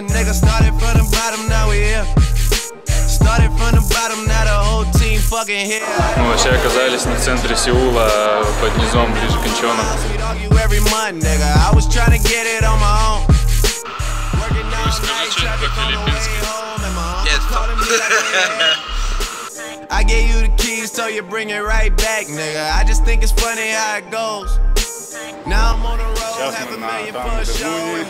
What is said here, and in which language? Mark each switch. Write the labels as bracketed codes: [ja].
[en] Started from the bottom, now we here. Started from the bottom, now the whole team fucking here. [ru] Мы вообще оказались не в центре Сеула, а под низом, ближе к Инчонам. [en] Every month, nigga, I was trying to get it on my own. Working all night, traffic on the way home, and my uncle calling me like I gave you the keys, told you bring it right back, nigga. I just think it's funny how it goes. Now I'm on the road, have a million for a show.